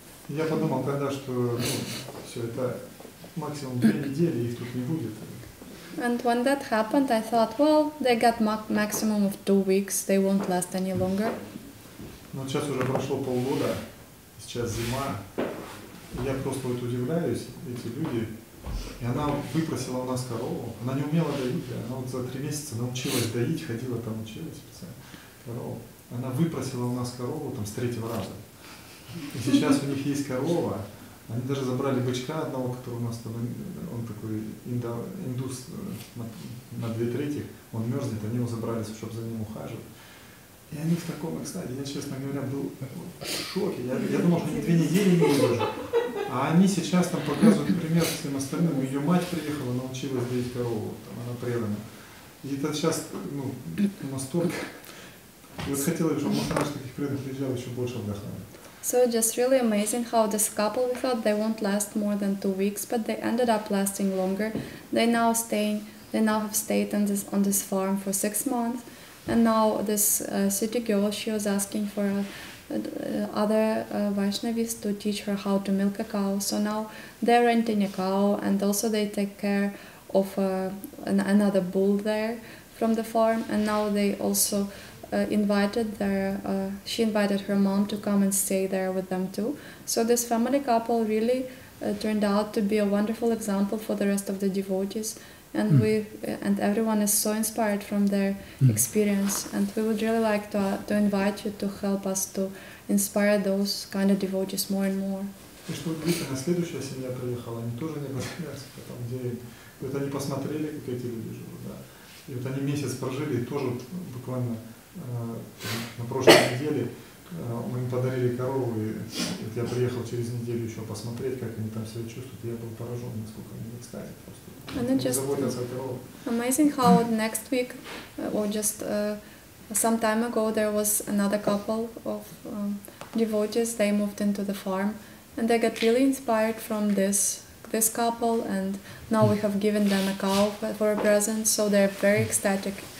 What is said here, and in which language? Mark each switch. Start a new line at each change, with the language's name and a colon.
Russian: Я подумал тогда, что все это максимум 2 недели, их тут не будет.
English: And when that happened, I thought, well, they got maximum of 2 weeks, they won't last any longer.
Russian: Но сейчас уже прошло полгода, сейчас зима, я просто вот удивляюсь, эти люди, и она выпросила у нас корову, она не умела доить, она вот за 3 месяца научилась доить, ходила там, училась специально корову, она выпросила у нас корову там с 3-го раза. И сейчас у них есть корова, они даже забрали бычка одного, который у нас там, он такой индус на 2/3, он мерзнет, они его забрали, чтобы за ним ухаживать. И они в таком экстазе, я, честно говоря, был в шоке, я думал, что они 2 недели не выдержат. А они сейчас там показывают пример всем остальным, ее мать приехала, научилась доить корову, там, она предана. И это сейчас, ну, настолько, я хотел, чтобы Махарадж с таких преданных приезжал еще больше вдохновить.
English: So just really amazing how this couple, we thought they won't last more than 2 weeks, but they ended up lasting longer. They now have stayed on this farm for 6 months, and now this city girl, she was asking for other Vaishnavis to teach her how to milk a cow. So now they're renting a cow, and also they take care of another bull there from the farm, and now they also invited her mom to come and stay there with them too. So this family couple really turned out to be a wonderful example for the rest of the devotees, and and everyone is so inspired from their experience. And we would really like to invite you to help us to inspire those kind of devotees more and more.
Russian: И что будет, когда следующая семья приехала? Они тоже не потерялись, там где вот они посмотрели, как эти люди живут, да. И вот они месяц прожили, и тоже буквально на прошлой неделе мы им подарили корову, и вот я приехал через неделю еще посмотреть, как они там себя чувствуют, и я был поражен, насколько они в экстазе просто.
English: And it just amazing how next week, or just some time ago, there was another couple of devotees, they moved into the farm, and they got really inspired from this couple, and now we have given them a cow for a present, so they're very ecstatic.